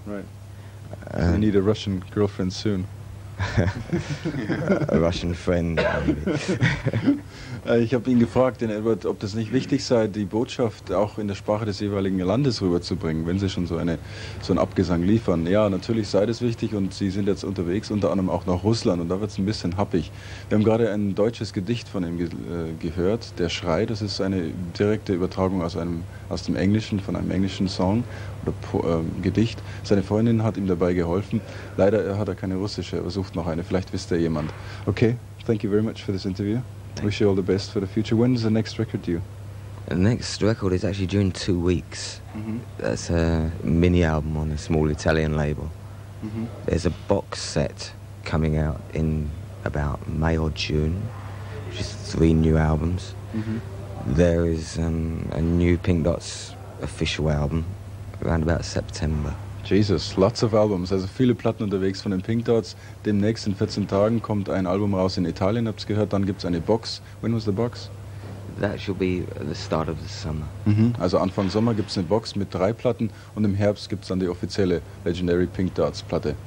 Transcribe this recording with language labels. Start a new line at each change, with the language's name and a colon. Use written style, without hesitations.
English: Right. So you need a Russian girlfriend soon. A Russian friend.
German: Ich habe ihn gefragt, den Edward, ob das nicht wichtig sei, die Botschaft auch in der Sprache des jeweiligen Landes rüberzubringen, wenn sie schon so einen Abgesang liefern. Ja, natürlich sei das wichtig und sie sind jetzt unterwegs, unter anderem auch nach Russland und da wird es ein bisschen happig. Wir haben gerade ein deutsches Gedicht von ihm gehört, Der Schrei, das ist eine direkte Übertragung aus dem englischen Song oder Gedicht. Seine Freundin hat ihm dabei geholfen. Leider hat er keine russische, er sucht noch eine, vielleicht wisst er jemand.
English: Okay, thank you very much for this interview. Wish you all the best for the future. When is the next record due? The next record is actually due in 2 weeks. Mm-hmm. That's a mini album on a small Italian label. Mm-hmm. There's a box set coming out in about May or June, which is 3 new albums. Mm-hmm. There is a new Pink Dots official album around about September. Jesus, lots of albums,
German: also viele Platten unterwegs von den Pink Dots. Demnächst in 14 Tagen kommt ein Album raus in Italien, habt's gehört, dann gibt's eine Box.
English: When was the box? That should be the start of the summer. Mm-hmm.
German: Also Anfang Sommer gibt's eine Box mit 3 Platten und im Herbst gibt's dann die offizielle Legendary Pink Dots Platte.